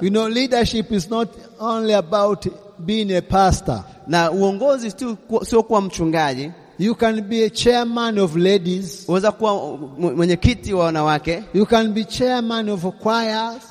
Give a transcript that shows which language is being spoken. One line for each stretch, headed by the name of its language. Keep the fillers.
English: You know, leadership is not only about being a pastor,
Swahili: na uongozi sio so kuwa mchungaji
English: You can be a chairman of ladies.
Swahili: Uweza kuwa mwenyekiti wa wanawake.
English: You can be chairman of choirs.